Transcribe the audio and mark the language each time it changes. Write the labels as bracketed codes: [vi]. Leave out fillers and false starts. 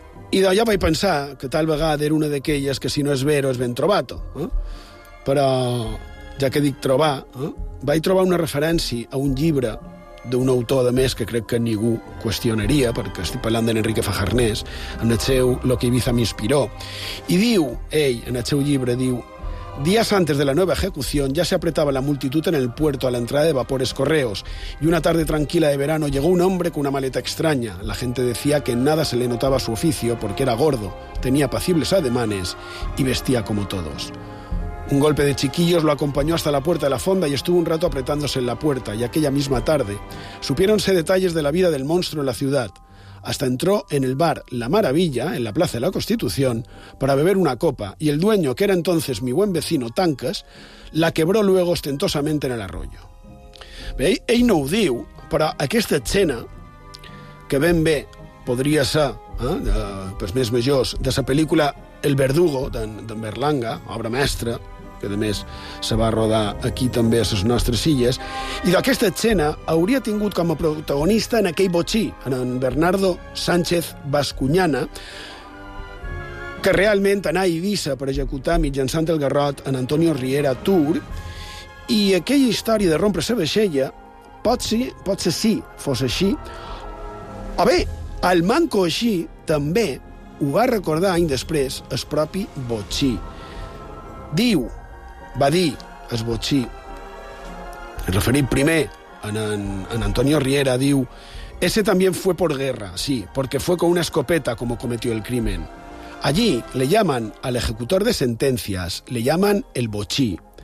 [ca] Idò, jo vaig pensar que tal vegada era una d'aquelles que si no és vero és ben trobato. Però, ja que dic trobar, vaig trobar una referència a un llibre d'un autor, de més, que crec que ningú qüestionaria, perquè estic parlant d'en Enrique Fajarnés, en el seu Lo que Ibiza me inspiró. I diu, ell, en el seu llibre, diu: [es] «Días antes de la nueva ejecución ya se apretaba la multitud en el puerto a la entrada de vapores correos, y una tarde tranquila de verano llegó un hombre con una maleta extraña. La gente decía que en nada se le notaba su oficio porque era gordo, tenía apacibles ademanes y vestía como todos». Un golpe de chiquillos lo acompañó hasta la puerta de la fonda y estuvo un rato apretándose en la puerta, y aquella misma tarde supiéronse detalles de la vida del monstruo en la ciudad. Hasta entró en el bar La Maravilla, en la Plaza de la Constitución, para beber una copa, y el dueño, que era entonces mi buen vecino Tancas, la quebró luego ostentosamente en el arroyo. [ca] Bé, ell no ho diu, però aquesta escena, que ben bé podria ser, pels més majors, de la pel·lícula El Verdugo, d'en Berlanga, obra mestra, que a més se va rodar aquí també a les nostres illes, i d'aquesta escena hauria tingut com a protagonista en aquell botxí, en Bernardo Sánchez Bascuñana, que realment anà a Eivissa per executar mitjançant el garrot en Antonio Riera Tur, i aquella història de rompre la vaixella pot ser sí, fos així, o bé, el manco així també ho va recordar any després el propi botxí. Diu, va dir el botxí, referit primer en Antonio Riera, diu: [es] «Ese también fue por guerra, sí, porque fue con una escopeta como cometió el crimen. Allí le llaman al ejecutor de sentencias, le llaman el botxí.